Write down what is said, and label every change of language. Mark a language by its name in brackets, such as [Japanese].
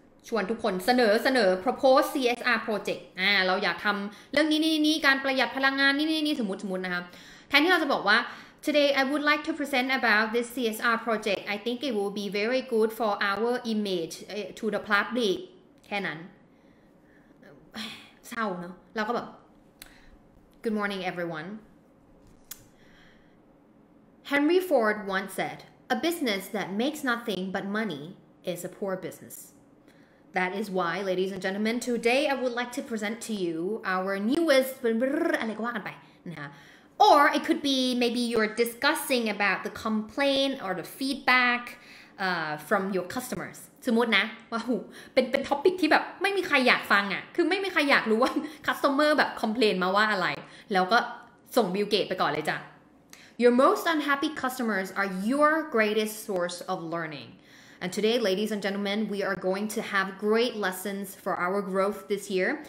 [Thai] ชวนทุกคนเสนอ [English] propose CSR project [Thai] เราอยากทำเรื่องนี้การประหยัดพลังงานนี่สมมุตินะครับแทนที่เราจะบอกว่า [English] today I would like to present about this CSR project I think it will be very good for our image to the public [Thai] แค่นั้นเศร้าเนาะเราก็แบบ [English] good morning everyoneHenry Ford once said, "A business that makes nothing but money is a poor business." That is why, ladies and gentlemen, today I would like to present to you our newest or it could be maybe you're discussing about the complaint or the feedback from your customers. [Thai] สมมตินะว่าเป็น topic ที่แบบไม่มีใครอยากฟังอ่ะคือไม่มีใครอยากรู้ว่า customer แบบ complain มาว่าอะไรแล้วก็ส่งบิลเกตไปก่อนเลยจ้ะ [English] Your most unhappy customers are your greatest source of learning. And today, ladies and gentlemen, we are going to have great lessons for our growth this year.